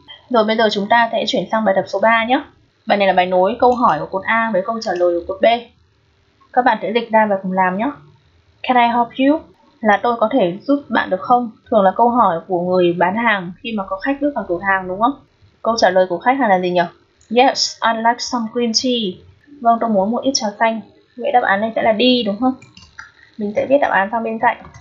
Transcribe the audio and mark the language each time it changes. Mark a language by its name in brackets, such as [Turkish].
[Vietnamese] Rồi bây giờ chúng ta sẽ chuyển sang bài tập số 3 nhé. Bài này là bài nối câu hỏi của cột A với câu trả lời của cột B. Các bạn sẽ dịch ra và cùng làm nhé. [English] Can I help you? [Vietnamese] Là tôi có thể giúp bạn được không? Thường là câu hỏi của người bán hàng khi mà có khách bước vào cửa hàng đúng không? Câu trả lời của khách hàng là gì nhỉ? [English] Yes, I'd like some green tea. [Vietnamese] Vâng, tôi muốn một ít trà xanh. Vậy đáp án này sẽ là D đúng không? Mình sẽ viết đáp án sang bên cạnh.